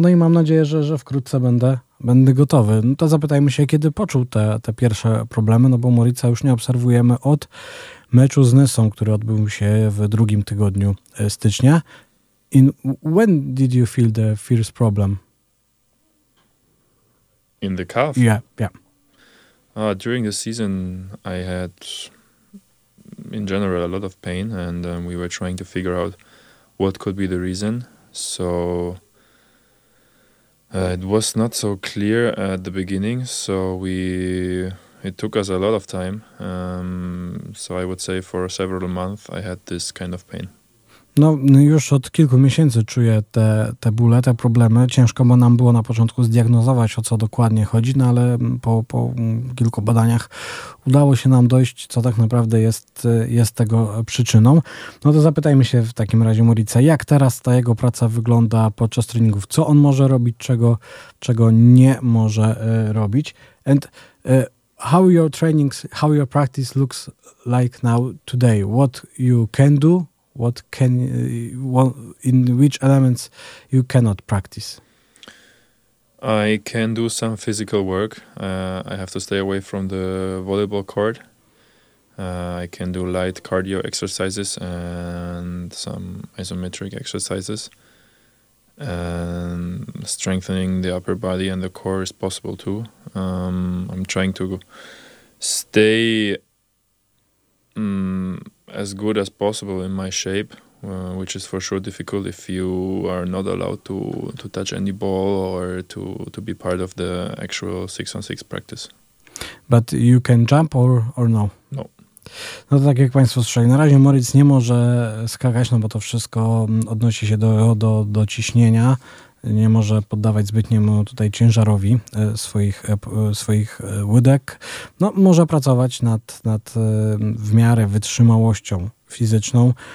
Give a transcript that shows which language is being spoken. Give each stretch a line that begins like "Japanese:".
Polish: No i mam nadzieję, że wkrótce będę gotowy. No to zapytajmy się, kiedy poczuł te pierwsze problemy, no bo Moritza już nie obserwujemy od meczu z Nysą, który odbył się w drugim tygodniu stycznia.
English: When did you feel the first problem? In the calf? Yeah. During the season, I had, in general, a lot of pain, and we were trying to figure out what could be the reason. So it was not so clear at the beginning, so it took us a lot of time. So I would say for several months, I had this kind of pain.
Polish: No, już od kilku miesięcy czuję te bóle, te problemy. Ciężko bo nam było na początku zdiagnozować, o co dokładnie chodzi, no ale po kilku badaniach udało się nam dojść, co tak naprawdę jest tego przyczyną. No to zapytajmy się w takim razie Moritza, jak teraz ta jego praca wygląda podczas treningów? Co on może robić, czego nie może robić?
English: And how your practice looks like now today? What you can do? What can in which elements you cannot practice? I can do some physical work. I have to stay away from the volleyball court. I can do light cardio exercises and some isometric exercises. And strengthening the upper body and the core is possible too. I'm trying to stay as good as possible in my shape, which is for sure difficult if you are not allowed to touch any ball or to be part of the actual 6-on-6 practice. But you can jump or no? No.
Polish: No to tak jak Państwo słyszeli, na razie Moritz nie może skakać, no bo to wszystko odnosi się do ciśnienia. Nie może poddawać zbytniemu tutaj ciężarowi swoich łydek. No, może pracować nad w miarę wytrzymałością fizyczną.